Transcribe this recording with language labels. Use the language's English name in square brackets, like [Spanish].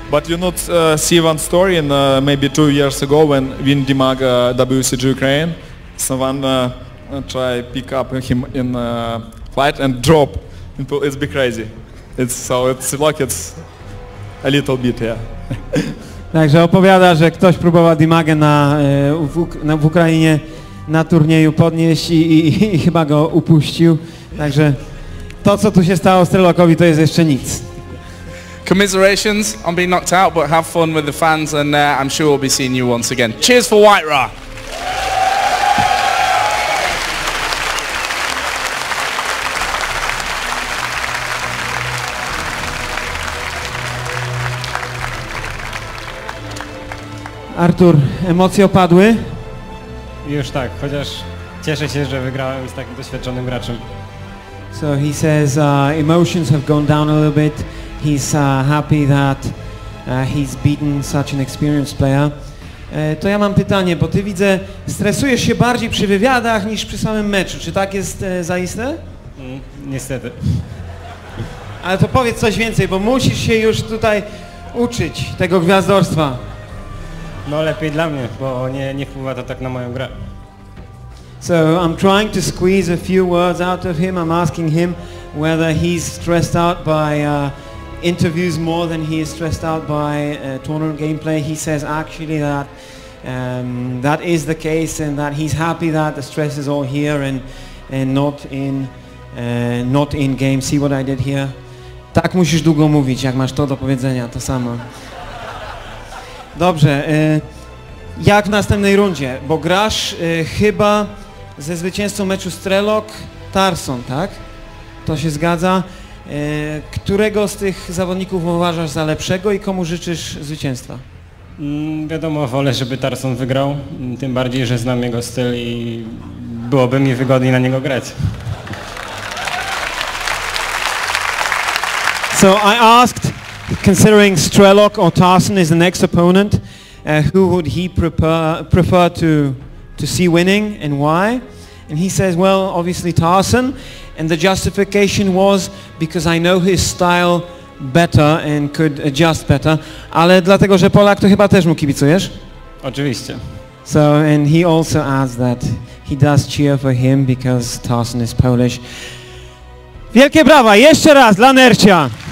[English] But you not see one story in maybe 2 years ago when Vin Dimag, WCG Ukraine, someone try pick up him in flight and drop. It's be crazy. It's so it's like it's a little bit, yeah. [Polish] Także opowiada, że ktoś próbował Dimagę w Ukrainie na turnieju podnieść i chyba go upuścił. Także to, co tu się stało Strelokowi, to jest jeszcze nic. [English] Commiserations on being knocked out, but have fun with the fans and I'm sure we'll be seeing you once again. Cheers for White-Ra! [Polish] Artur, emocje opadły? Już tak, chociaż cieszę się, że wygrałem z takim doświadczonym graczem. [English] So he says emotions have gone down a little bit. He's happy that he's beaten such an experienced player. [Polish] To ja mam pytanie, bo ty widzę, stresujesz się bardziej przy wywiadach niż przy samym meczu. Czy tak jest zaiste? Niestety. Ale to powiedz coś więcej, bo musisz się już tutaj uczyć tego gwiazdorstwa. No lepiej dla mnie, bo nie wpływa to tak na moją grę. [English] So I'm trying to squeeze a few words out of him. I'm asking him whether he's stressed out by interviews more than he is stressed out by tournament gameplay. He says actually that that is the case and that he's happy that the stress is all here and not in game. See what I did here? [Polish] Tak musisz długo mówić, jak masz to do powiedzenia, to samo. Dobrze, jak w następnej rundzie? Bo grasz chyba ze zwycięzcą meczu Strelok Tarson, tak? To się zgadza. Którego z tych zawodników uważasz za lepszego i komu życzysz zwycięstwa? Wiadomo, wolę, żeby Tarson wygrał. Tym bardziej, że znam jego styl i byłoby mi wygodniej na niego grać. [English] So I asked, considering Strelok or Tarson is the next opponent, who would he prefer to see winning and why? And he says, well, obviously Tarson. And the justification was because I know his style better and could adjust better. [Polish] Ale dlatego, że Polak, to chyba też mu kibicujesz? Oczywiście. [English] So, and he also adds that he does cheer for him because Tarson is Polish. [Polish] Wielkie brawa, jeszcze raz dla Nerchia.